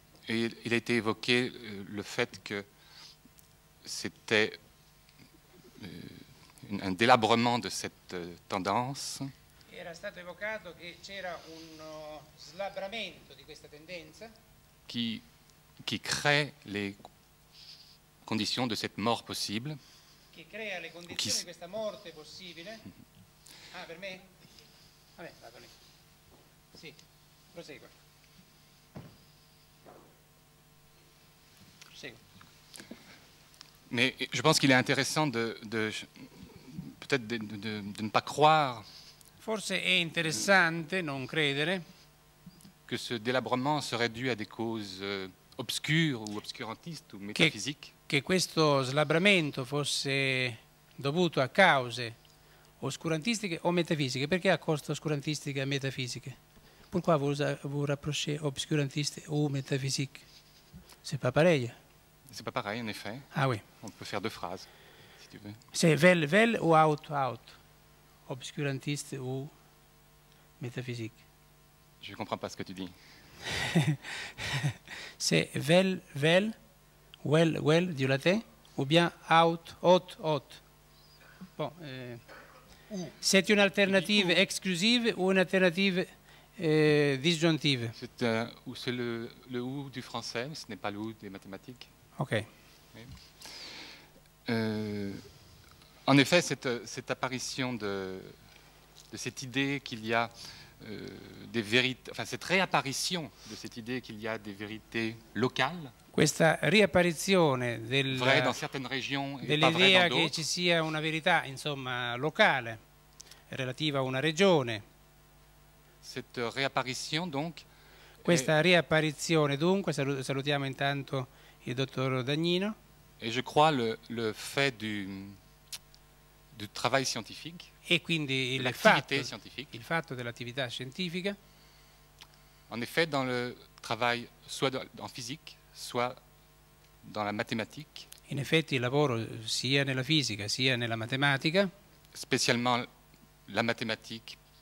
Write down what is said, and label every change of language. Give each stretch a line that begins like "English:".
French: Et il a été évoqué le fait que c'était un délabrement de cette tendance.
Italian: Era stato evocato che c'era uno slabramento di questa tendenza.
French: Qui crée les conditions de cette mort possible.
Italian: Che crea le condizioni di questa morte possibile. Ah, per me? Vabbè, vado lì. Sì, prosegua. Prosegua.
French: Mais je pense qu'il est intéressant de peut-être de ne pas croire.
Italian: Forse è interessante non credere che
French: ce délabrement serait dû à des causes obscures ou obscurantistes ou métaphysiques.
Italian: Che questo slabramento fosse dovuto a cause oscurantistiche o metafisiche. Perché a cause oscurantistiche e metafisiche?
French: Pourquoi vous rapprochez obscurantiste ou métaphysique? C'est pas pareil. C'est pas pareil, en effet. Ah oui. On peut faire deux phrases, si tu veux. C'est vel, vel ou out, out? Obscurantiste ou métaphysique? Je comprends pas ce que tu dis. C'est vel, vel, well, well, du latin, ou bien out, out, out? Bon. C'est une alternative exclusive ou une alternative. Disjonctive. C'est, c'est le ou du français, ce n'est pas le ou des mathématiques. Ok. Oui. En effet, cette apparition de cette idée qu'il y a des vérités, enfin cette réapparition de cette idée qu'il y a des vérités locales.
Italian: Questa riapparizione del.
French: Vraie dans certaines régions et pas vraie dans d'autres.
Italian: Dell'idea che ci sia una verità, insomma, locale, relativa a una regione.
French: Cette réapparition, donc,
Italian: questa riapparizione, dunque, salutiamo intanto il dottor Dagnino.
French: E je crois le fait du travail scientifique.
Italian: E quindi il fatto dell'attività scientifica.
French: En effet, dans le travail, soit en physique, soit dans la mathématique.
Italian: In effetti, il lavoro sia nella fisica sia nella matematica.
French: Spécialement la mathématique.